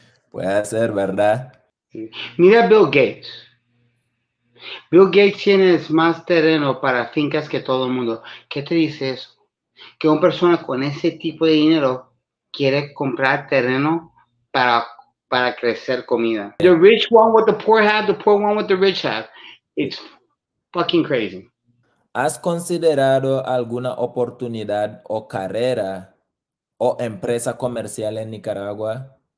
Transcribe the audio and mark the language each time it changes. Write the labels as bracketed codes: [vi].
[es] Puede ser, ¿verdad? Mira Bill Gates. Bill Gates tiene más terreno para fincas que todo el mundo. ¿Qué te dice eso? Que una persona con ese tipo de dinero quiere comprar terreno para crecer comida. [en] The rich one with the poor have, the poor one with the rich have. It's fucking crazy. [es] ¿Has considerado alguna oportunidad o carrera o empresa comercial en Nicaragua?